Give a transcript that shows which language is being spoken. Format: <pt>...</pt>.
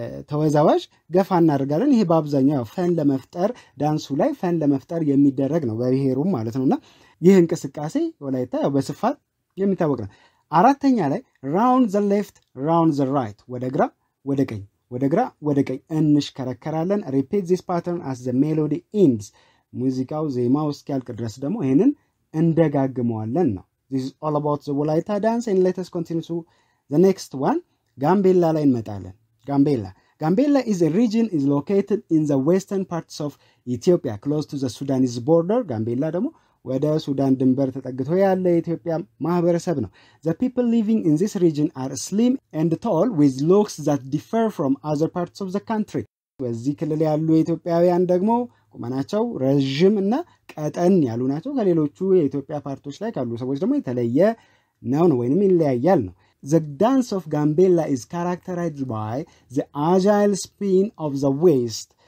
<am>ተወዛዋሽ ገፋ እናደርጋለን ይሄ በአብዛኛው ፈን ለመፍጠር ዳንሱ ላይ ፈን ለመፍጠር የሚደረግ ነው በብሄሩ ማለት ነውና ይሄ እንቅስቃሴ ወላይታ ያው በስፋት የሚታወቅ ነው አራተኛ ላይ</am> <en>round the left round the right</en> <am>ወደ ግራ ወደ ቀኝ ወደ ግራ ወደ ቀኝ እንሽከረከራለን</am> <en>repeat this pattern as the melody ends</en> <am>ሙዚቃው ዜማው እስኪያልቅ ድረስ ደግሞ ይሄንን እንደጋግመዋለን ነው</am> <en>this is all about the wolaita dance and let us continue to the next one</en> <am>gambella ላይ እንመጣለን</am> <en>Gambella. Gambella is a region is located in the western parts of Ethiopia close to the Sudanese border. Gambella demo</en> <am>ወደ ሱዳን ድንበር ተጠግቶ ያለ የኢትዮጵያ ማህበረሰብ ነው።</am> <en>The people living in this region are slim and tall with looks that differ from other parts of the country.</en> <am>በዚህ ክልል ያሉ ኢትዮጵያውያን ደግሞ ቁመናቸው ረጅም እና ቀጠን ያሉ ናቸው። ከሌሎቹ የኢትዮጵያ ፓርቶች ላይ ካሉ ሰዎች ደግሞ የተለየ ነው ወይንም ይለያያል ነው።</am> <en>The dance of Gambella is characterized by the agile spin of the waist.</en>